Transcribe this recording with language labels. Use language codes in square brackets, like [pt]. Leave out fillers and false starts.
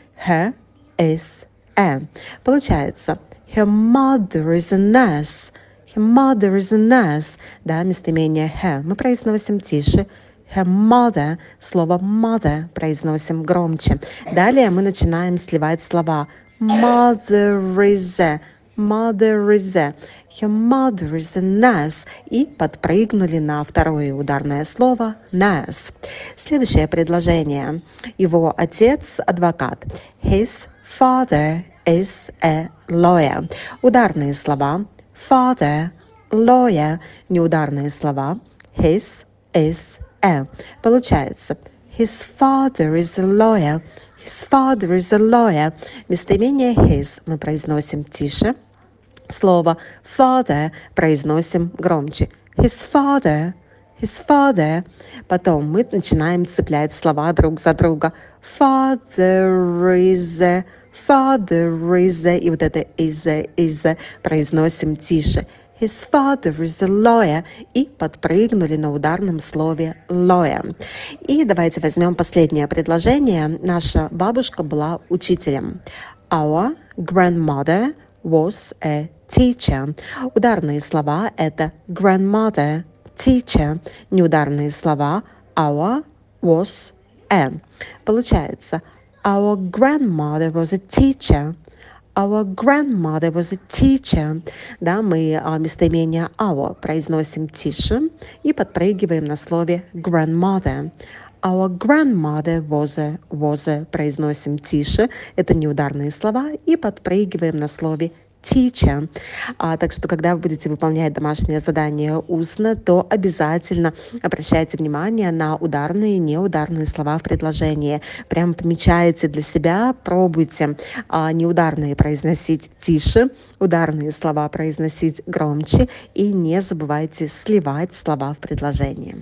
[en] Her is a. [ru] Получается. [en] Her mother is a nurse. Her mother is a nurse. [ru] Да, местоимение her. Мы произносим тише. [en] Her mother, [ru] слово mother произносим громче. Далее мы начинаем сливать слова. [en] Mother is a, mother is a, her mother is a nurse. [ru] И подпрыгнули на второе ударное слово nurse. Следующее предложение. Его отец адвокат. [en] His father is a lawyer. [ru] Ударные слова. [en] Father, lawyer. [ru] Неударные слова. [en] His is a. [ru] Получается, [en] his father is a lawyer, his father is a lawyer. [ru] Местоимение his мы произносим тише, слово father произносим громче. [en] His father, his father. [ru] Потом мы начинаем цеплять слова друг за друга. [en] Father is a, father is a. [ru] И вот это [en] is a [ru] произносим тише. [en] His father is a lawyer. [ru] И подпрыгнули на ударном слове lawyer. И давайте возьмем последнее предложение. Наша бабушка была учителем. [en] Our grandmother was a teacher. [ru] Ударные слова – это [en] grandmother, teacher. [ru] Неударные слова – [en] our, was, a. [ru] Получается, [en] our grandmother was a teacher. Our grandmother was a teacher. [ru] Да, мы местоимение our произносим тише и подпрыгиваем на слове grandmother. [en] Our grandmother was a [ru] произносим тише. Это неударные слова и подпрыгиваем на слове teacher. Так что, когда вы будете выполнять домашнее задание устно, то обязательно обращайте внимание на ударные и неударные слова в предложении. Прям помечайте для себя, пробуйте неударные произносить тише, ударные слова произносить громче и не забывайте сливать слова в предложении.